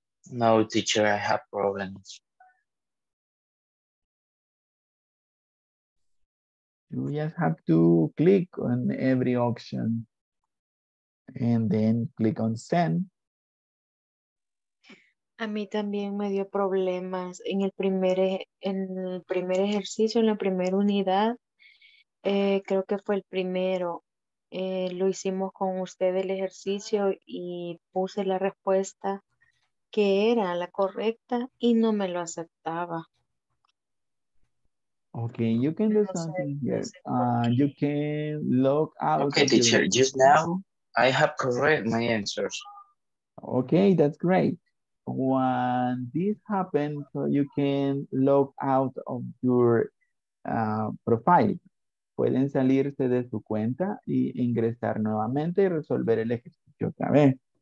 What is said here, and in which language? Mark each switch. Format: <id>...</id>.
<en>No, teacher, I have problems. You just have to click on every option. And then click on send.</en> <es>A mí también me dio problemas en el primer ejercicio, en la primera unidad. Creo que fue el primero. Lo hicimos con usted el ejercicio y puse la respuesta que era la correcta y no me lo aceptaba.</es> <en>Okay, you can do something here. You can log out. Okay, teacher, just now. I have correct my answers. Okay, that's great. When this happens, you can log out of your profile.</en> <es>Pueden salirse de su cuenta y ingresar nuevamente y resolver el ejercicio otra vez.</es>